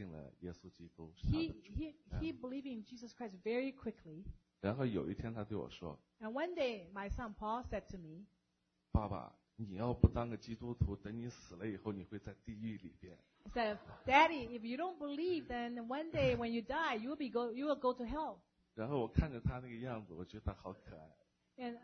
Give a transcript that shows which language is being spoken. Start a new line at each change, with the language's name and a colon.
Chinese: 他那时候呢，就很快的就相信了耶稣基督是他的主。He
English: believed in Jesus Christ very quickly.
Chinese: 然后有一天他对我说。And
English: one day, my son Paul said to me,
Chinese: 爸爸。你要不当个基督徒，等你死了以后，你会在地狱里边。
English: He said, "Daddy, if you don't believe, then one day when you die, you will go to hell."
Chinese: 然后我看着他那个样子，我觉得他好可爱。And